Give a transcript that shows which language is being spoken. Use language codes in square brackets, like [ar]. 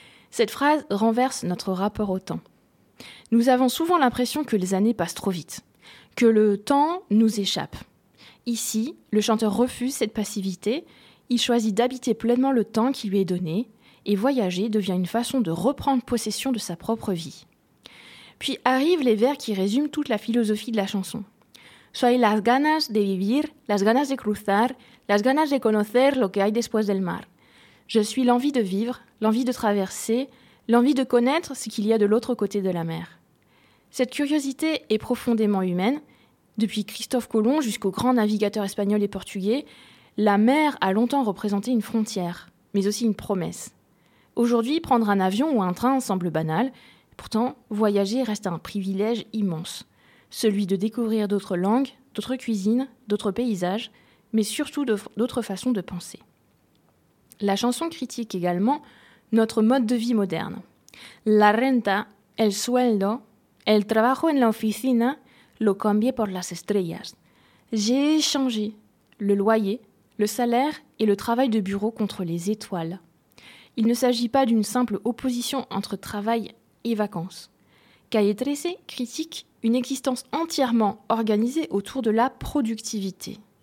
[fr] Cette phrase renverse notre rapport au temps. Nous avons souvent l'impression que les années passent trop vite, que le temps nous échappe. Ici, le chanteur refuse cette passivité, il choisit d'habiter pleinement le temps qui lui est donné, et voyager devient une façon de reprendre possession de sa propre vie. Puis arrivent les vers qui résument toute la philosophie de la chanson. [es] Soy las ganas de vivir, las ganas de cruzar, las ganas de conocer lo que hay después del mar. [fr] Je suis l'envie de vivre, l'envie de traverser, l'envie de connaître ce qu'il y a de l'autre côté de la mer. Cette curiosité est profondément humaine. Depuis Christophe Colomb jusqu'aux grands navigateurs espagnols et portugais, la mer a longtemps représenté une frontière, mais aussi une promesse. Aujourd'hui, prendre un avion ou un train semble banal. Pourtant, voyager reste un privilège immense. Celui de découvrir d'autres langues, d'autres cuisines, d'autres paysages, mais surtout d'autres façons de penser. La chanson critique également notre mode de vie moderne. [es] La renta, el sueldo, el trabajo en la oficina, lo cambié por las estrellas. [fr] J'ai changé le loyer, le salaire et le travail de bureau contre les étoiles. Il ne s'agit pas d'une simple opposition entre travail et vacances. Calle 13 critique une existence entièrement organisée autour de la productivité.